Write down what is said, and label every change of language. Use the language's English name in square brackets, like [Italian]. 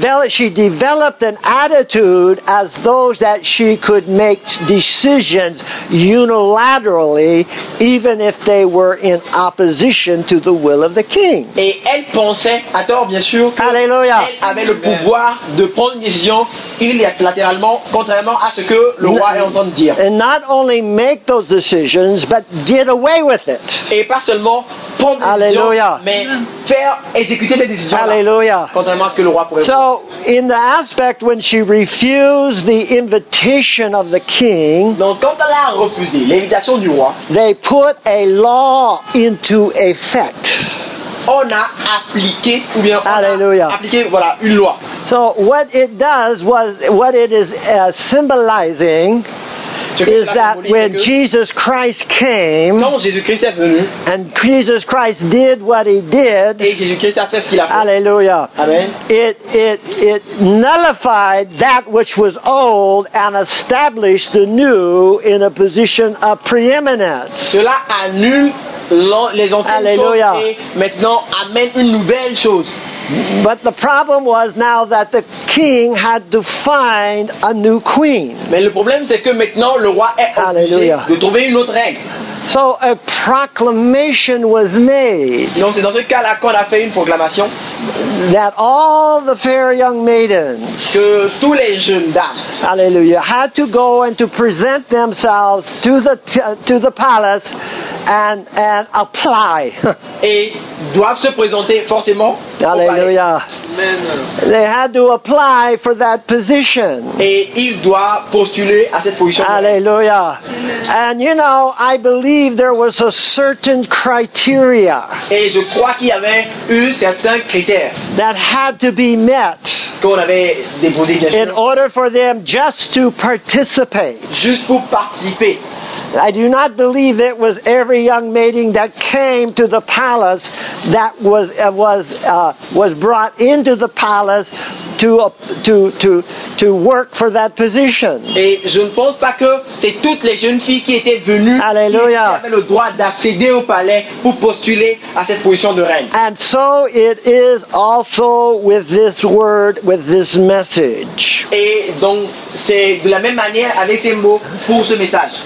[English] she developed an attitude as though that she could make decisions unilaterally even if they were in opposition to the will of the king. [French] Et elle pensait, à tort bien sûr, qu'elle avait le pouvoir de prendre une décision unilatéralement, contrairement à ce que le roi est en train de dire. [English] And not only make those decisions, but get away with it. [French] Et pas seulement prendre une Alleluia. Décision, mais faire exécuter cette décision-là. Alleluia. Contrairement à ce que le roi pourrait [English] so, [French] voir. [English] In the aspect when she refused the invitation of the king, [French] donc quand elle a refusé l'invitation du roi, [English] they put a law into effect. [French] On a appliqué ou bien on Alleluia. A appliqué voilà une loi. [English] So what it does was what it is symbolizing is that when Jesus Christ came [French] Jésus-Christ est venu, [English] and Jesus Christ did what he did, [French] et Jésus-Christ a fait ce qu'il a fait. Alleluia. Amen. [English] It nullified that which was old and established the new in a position of preeminence. [French] Cela annule les anciennes Alleluia. Choses et maintenant amène une nouvelle chose. [English] But the problem was now that the king had to find a new queen. [French] Mais le problème c'est que maintenant le roi est obligé Alleluia. De trouver une autre règle. [English] So a proclamation was made. [French] Donc c'est dans ce cas-là qu'on a fait une proclamation. [English] That all the fair young maidens. [French] Que tous les jeunes dames. Alleluia. [English] Had to go and to present themselves to the palace and apply. [French] Et doivent se présenter forcément. Alleluia. Amen. [English] They had to apply for that position. [French] Et ils doivent postuler à cette position. Alleluia. [English] And you know, I believe there was a certain criteria. [French] Et je crois qu'il y avait eu certains critères. [English] That had to be met. [French] Qu'on avait déposé bien sûr. [English] In order for them just to participate. [French] Juste pour participer. [English] I do not believe it was every young maiden that came to the palace that was brought into the palace to work for that position. [French] Et je ne pense pas que c'est toutes les jeunes filles qui étaient venues Alleluia. Qui avaient le droit d'accéder au palais pour postuler à cette position de reine. [English] And so it is also with this word, with this message. [French] Et donc c'est de la même manière avec ces mots pour ce message.